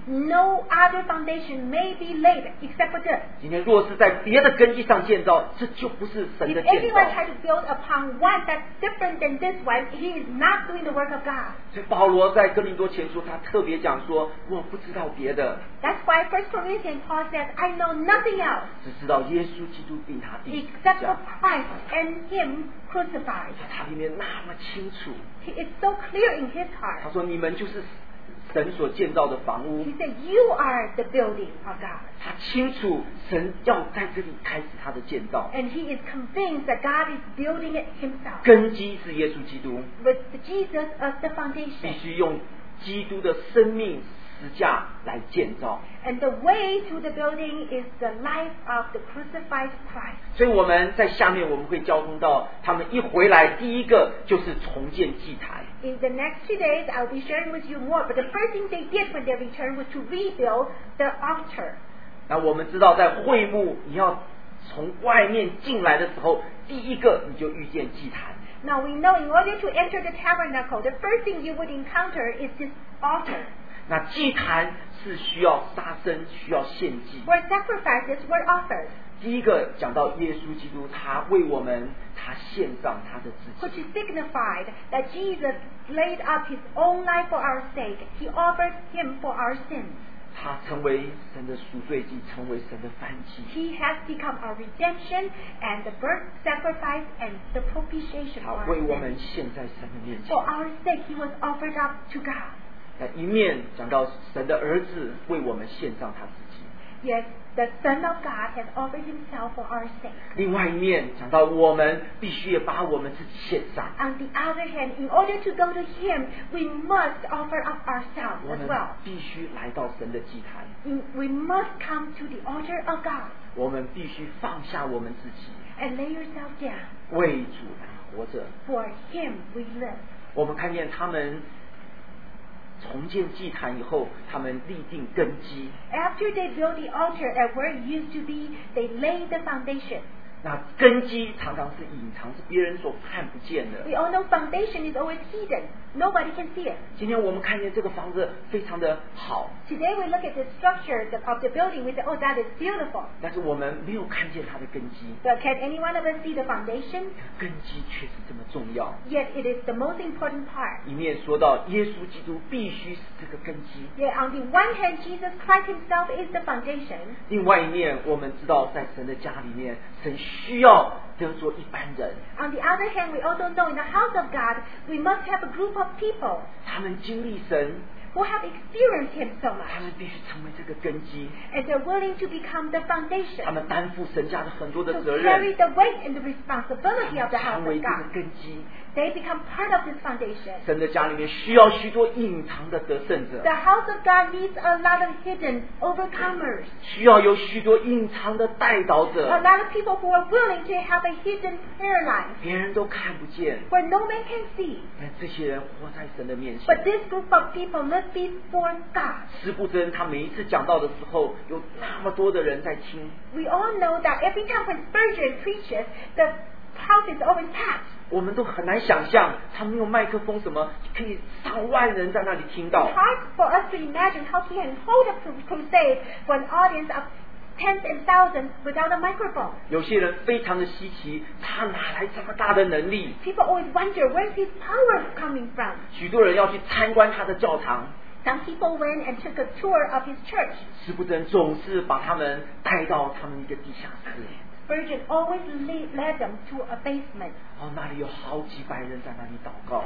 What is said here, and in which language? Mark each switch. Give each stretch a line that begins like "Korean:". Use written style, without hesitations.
English: No other foundation may be laid except for this.
Chinese: 今天若是在别的根基上建造，这就不是神的建造。
English: If anyone tries to build upon one that's different than this one, he is not doing the work of God.
Chinese: 所以保罗在哥林多前书他特别讲说我不知道别的。
English: That's why 1 Corinthians Paul says, I know nothing else.
Chinese: 只知道耶稣基督并他定。
English: Except for Christ and him crucified.
Chinese: 他里面那么清楚。
English: He is so clear in his heart.
Chinese: 他说你们就是神所建造的房屋。
English: He said you are the building of God.
Chinese: 他清楚神要在这里开始他的建造。
English: And he is convinced that God is building it himself.
Chinese: 根基是耶稣基督。
English: With Jesus as the foundation.
Chinese: 必须用基督的生命十架来建造。
English: And the way to the building is the life of the crucified Christ.
Chinese: 所以我们在下面我们会交通到他们一回来第一个就是重建祭台。
English: In the next 2 days, I'll be sharing with you more. But the first thing they did when they returned was to rebuild the altar.
Chinese: 那我们知道在会幕你要从外面进来的时候，第一个你就遇见祭台。
English: Now we know in order to enter the tabernacle, the first thing you would encounter is this altar.
Chinese: 那祭坛是需要杀生，需要献祭。
English: Where sacrifices were offered.
Chinese: 第一个讲到耶稣基督，他为我们，他献上他的自己。
English: Which signified that Jesus laid up his own life for our sake. He offered him for our sins.
Chinese: 他成为神的赎罪祭，成为神的燔祭。
English: He has become our redemption and the burnt sacrifice and the propitiation for our sins.
Chinese: 他为我们献在神的面前。
English: For our sake, he was offered up to God.
Chinese: 那一面讲到神的儿子为我们献上他自己。
English: Yes, the Son of God has offered himself for our sake.
Chinese: 另外一面讲到我们必须也把我们自己献上。
English: On the other hand, in order to go to him, we must offer up ourselves as well.
Chinese: 我们必须来到神的祭坛。
English: We must come to the altar of God.
Chinese: 我们必须放下我们自己。
English: And lay yourself down.
Chinese: 为主来活着。
English: For him we live.
Chinese: 我们看见他们重建祭坛以后，他们立定根基。
English: After they built the altar at where it used to be, they laid the foundation.
Chinese: 那根基常常是隐藏，是别人所看不见的。
English: We all know foundation is always hidden. Nobody can see it.
Chinese: 今天我们看见这个房子非常的好。
English: Today we look at the structure of the building. We say, oh, that is beautiful.
Chinese: 但是我们没有看见它的根基。
English: But can anyone of us see the foundation?
Chinese: 根基确实这么重要。
English: Yet it is the most important part.
Chinese: 一面说到耶稣基督必须是这个根基。
English: Yet on the one hand, Jesus Christ himself is the foundation.
Chinese: 另外一面我们知道在神的家里面，神需要得做一般人。
English: On the other hand, we also know in the house of God, we must have a group of people.
Chinese: 他们经历神。
English: Who have experienced him so much.
Chinese: 他们必须成为这个根基。
English: And they're willing to become the foundation.
Chinese: 他们担负神家的很多的责任。
English: To carry the weight and the responsibility of the house of God.
Chinese: 成为这个根基。
English: They become part of this foundation.
Chinese: 神的家里面需要许多隐藏的得胜者。
English: The house of God needs a lot of hidden overcomers.
Chinese: 需要有许多隐藏的代祷者。
English: A lot of people who are willing to have a hidden prayer life.
Chinese: 别人都看不见。
English: Where no man can see.
Chinese: 但这些人活在神的面前。
English: But this group of people live before God.
Chinese: 施布真他每一次讲到的时候，有那么多的人在听。
English: We all know that every time when Spurgeon preaches, the house is always packed.
Chinese: 我们都很难想象他没有麦克风什么，可以上万人在那里听到。
English: It's hard for us to imagine how he can hold a crusade when audience of tens and thousands without a microphone.
Chinese: 有些人非常的稀奇，他哪来这么大的能力？
English: People always wonder where his power is coming from.
Chinese: 许多人要去参观他的教堂。
English: Some people went and took a tour of his church.
Chinese: 施布真总是把他们带到他们一个地下室。
English: Spurgeon always led them to a basement.
Chinese: 哦，那里有好几百人在那里祷告。